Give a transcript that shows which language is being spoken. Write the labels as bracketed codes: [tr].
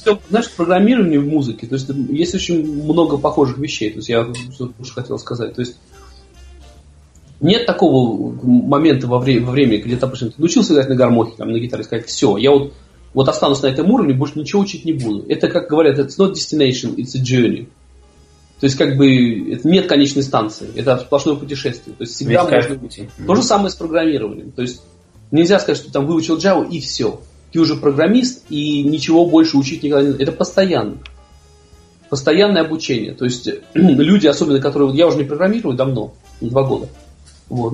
[ru] Все, знаешь, программирование в музыке, то есть есть очень много похожих вещей. То есть я уже хотел сказать. То есть нет такого момента во времени, где, допустим, ты научился играть на гармохе, там, на гитаре, сказать, все, я вот останусь на этом уровне, больше ничего учить не буду. Это, как говорят, [en] it's not destination, it's a journey. [ru] То есть, как бы, это нет конечной станции, это сплошное путешествие. То есть всегда можно пути. То же самое с программированием. То есть нельзя сказать, что ты там выучил Java и все. Ты уже программист, и ничего больше учить никогда не надо. Это постоянно. Постоянное обучение. То есть люди, особенно которые. Я уже не программирую давно, 2 года. Вот.